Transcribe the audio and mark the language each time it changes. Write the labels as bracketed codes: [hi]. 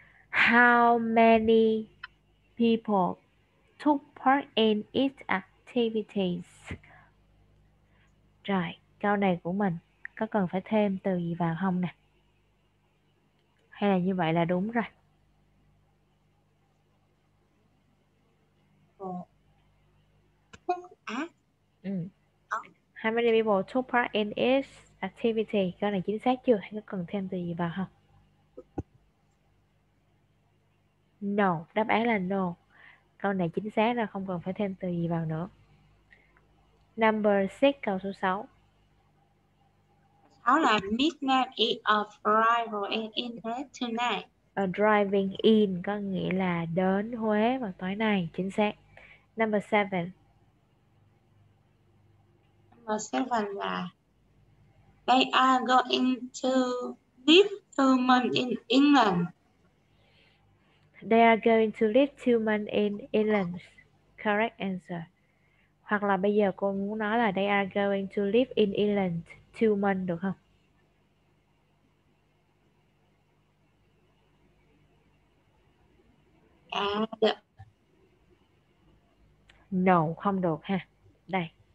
[en] How many people took part in its activities? [vi] Rồi, câu này của mình có cần phải thêm từ gì vào không nè? Hay là như vậy là đúng rồi? [en] How many people took part in its activity? [vi] Câu này chính xác chưa? Hay có cần thêm từ gì vào không? [en] No, [vi] đáp án là no. Câu này chính xác là không cần phải thêm từ gì vào nữa. [en] Number 6, [vi] câu số 6. [en] Midnight arrival in tonight. Driving in [vi] có nghĩa là đến Huế vào tối nay, chính xác. [en] Number 7. Seven [vi] là [en] they are going to live 2 months They are going to live 2 months in England. Correct answer. [vi] Hoặc là bây giờ cô muốn nói là [en] they are going to live in England 2 months [vi] được không? England. À, [en] No, [vi] không được ha. Đây.